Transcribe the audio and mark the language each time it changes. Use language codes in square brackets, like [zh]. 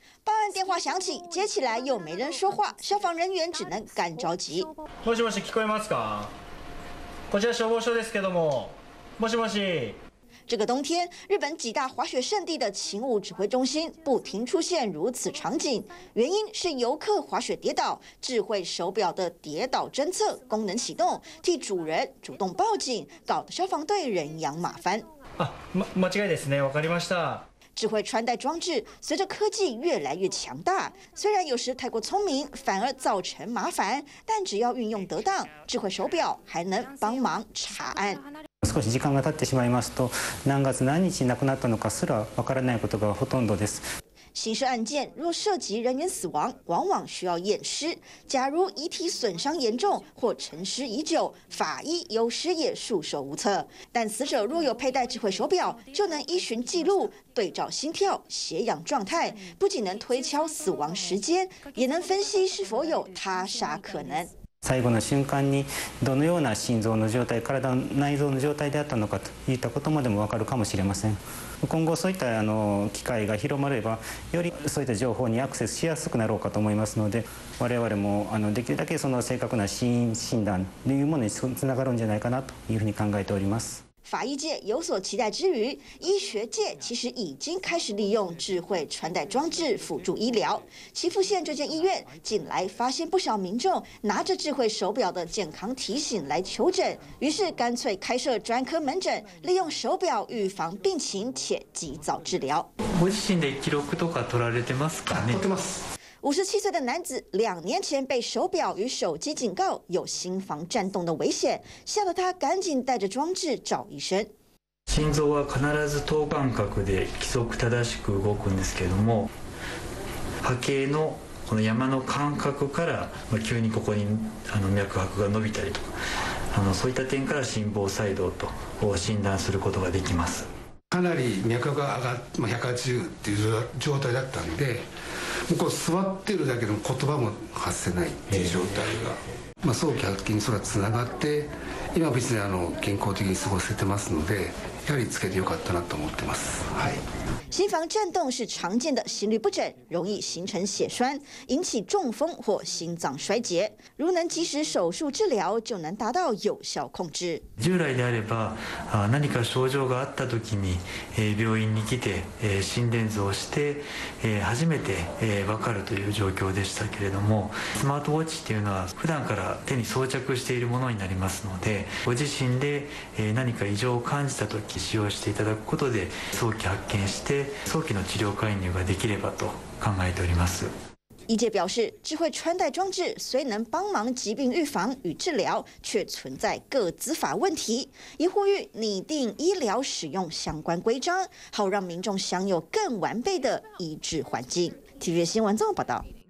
[zh] 报案电话响起，接起来又没人说话，消防人员只能干着急。 [ja] もしもし聞こえますか？こちら消防署ですけども。もしもし。 [zh] 这个冬天，日本几大滑雪圣地的勤务指挥中心不停出现如此场景，原因是游客滑雪跌倒，智慧手表的跌倒侦测功能启动，替主人主动报警，搞得消防队人仰马翻。 [ja] 啊，間違いですね。わかりました。 [zh] 智慧穿戴装置随着科技越来越强大，虽然有时太过聪明反而造成麻烦，但只要运用得当，智慧手表还能帮忙查案。 [ja] 少し時間が経ってしまいますと、何月何日亡くなったのかすら分からないことがほとんどです。 [zh] 刑事案件若涉及人员死亡，往往需要验尸。假如遗体损伤严重或沉尸已久，法医有时也束手无策。但死者若有佩戴智慧手表，就能依循记录对照心跳、血氧状态，不仅能推敲死亡时间，也能分析是否有他杀可能。 [ja] 最後の瞬間にどのような心臓の状態、体の内臓の状態であったのかといったことまでも分かるかもしれません。今後そういった機会が広まれば、よりそういった情報にアクセスしやすくなろうかと思いますので、我々もできるだけその正確な死因診断というものにつながるんじゃないかなというふうに考えております。 [zh] 法医界有所期待之余，医学界其实已经开始利用智慧穿戴装置辅助医疗。岐阜县这间医院近来发现不少民众拿着智慧手表的健康提醒来求诊，于是干脆开设专科门诊，利用手表预防病情且及早治疗。 [ja] ご自身で記録とか取られてますかね？取ってます。 [zh] 57岁的男子两年前被手表与手机警告有心房颤动的危险，吓得他赶紧带着装置找医生。 [ja] 心臓は必ず等間隔で規則正しく動くんですけれども、波形のこの山の間隔から急にここに脈拍が伸びたりとか、そういった点から心房細動と診断することができます。かなり脈拍が上がって、180っていう状態だったんで、もうこう座ってるだけでも言葉も発せないっていう状態が、早期発見にそれはつながって、今は別に健康的に過ごせてますので、やはりつけてよかったなと思ってます。はい。 [zh] 心房颤动是常见的心律不整，容易形成血栓，引起中风或心脏衰竭。如能及时手术治疗，就能达到有效控制。 [ja] 従来であれば、何か症状があったときに、病院に来て、心電図をして、初めて、分かるという状況でしたけれども、スマートウォッチっていうのは普段から手に装着しているものになりますので、ご自身で、何か異常を感じたとき使用していただくことで早期発見して。早期の治療介入ができればと考えております。 [zh] 医界表示，智慧穿戴装置虽能帮忙疾病预防与治疗，却存在个资法问题，也呼吁拟定医疗使用相关规章，好让民众享有更完备的医治环境。 TVBS 新闻综合报道。